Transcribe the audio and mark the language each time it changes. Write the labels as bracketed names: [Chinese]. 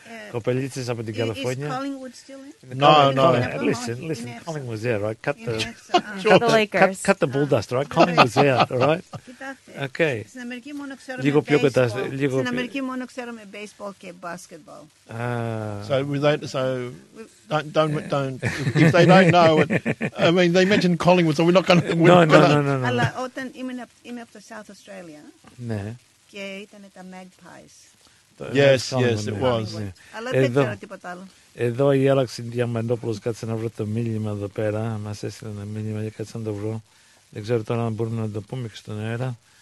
[Greek] Κοπελίτσες από την Καλιφόρνια. [English] Listen. Collingwood's there, right? Cut the, cut the Lakers. Cut the bulldust, right? Collingwood's there, right? Okay. [Greek] Στην Αμερική μόνο ξέρουμε baseball. Στην Αμερική μόνο ξέρουμε baseball και basketball. [English] So without, so don't if they don't know. I mean, they mentioned Collingwood, so we're not going to. No. [Greek] Αλλά όταν είμαι από το South Australia. Ναι. Και ήταν τα Magpies. [English] Yes, it was. [Greek] Εδώ η Άλεξη Διαμαντόπουλος κάτσε να βρω το μήνυμα εδώ πέρα. Μας έστειλε ένα μήνυμα και κάτσε να το βρω. Δεν ξέρω τώρα αν μπορούμε να το πούμε και στον αέρα.